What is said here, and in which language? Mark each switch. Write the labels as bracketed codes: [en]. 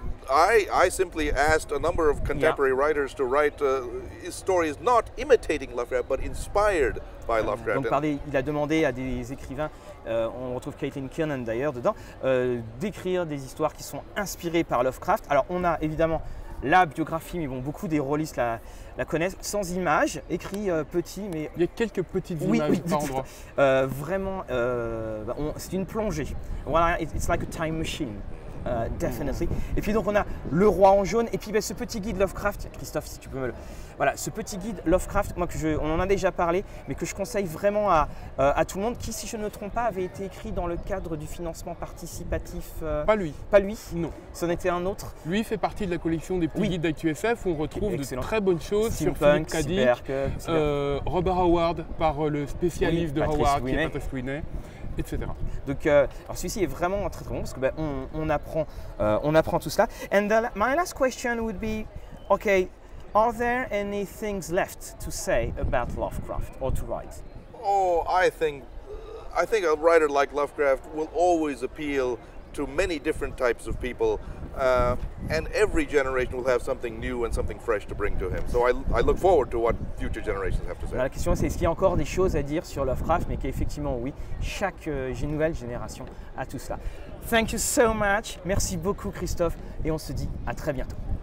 [en] I simply asked a number of contemporary writers to write stories not imitating Lovecraft, but inspired by Lovecraft. [fr] Donc, il a demandé à des écrivains, on retrouve Caitlin Kiernan d'ailleurs dedans, d'écrire des histoires qui sont inspirées par Lovecraft. Alors, on a évidemment la biographie, mais bon, beaucoup des rôlistes la connaissent, sans images, écrit petit, mais... Il y a quelques petites images oui, par endroit. Vraiment, c'est une plongée. Voilà, [en] it's like a time machine. Definitely. [fr] Et puis donc on a le roi en jaune et puis ben, ce petit guide Lovecraft, Christophe si tu peux me le... Voilà, ce petit guide Lovecraft, moi on en a déjà parlé, mais que je conseille vraiment à tout le monde, qui si je ne me trompe pas avait été écrit dans le cadre du financement participatif... Pas lui. Non. C'en était un autre. Lui fait partie de la collection des petits guides d'Actusf, où on retrouve de très bonnes choses. Steampunk, sur Philippe Cadic, Robert Howard par le spécialiste de Howard, qui est Patrice Winney. Etc. Donc, alors celui-ci est vraiment très très bon parce que ben on apprend tout cela. [en] And my last question would be, okay, are there any things left to say about Lovecraft or to write? Oh, I think a writer like Lovecraft will always appeal to many different types of people, and every generation will have something new and something fresh to bring to him. So I look forward to what future generations have to say. [fr] La question c'est, est-ce qu'il y a encore des choses à dire sur Lovecraft, mais qu'effectivement oui, chaque nouvelle génération a tout cela. [en] Thank you so much. [fr] Merci beaucoup Christophe, et on se dit à très bientôt.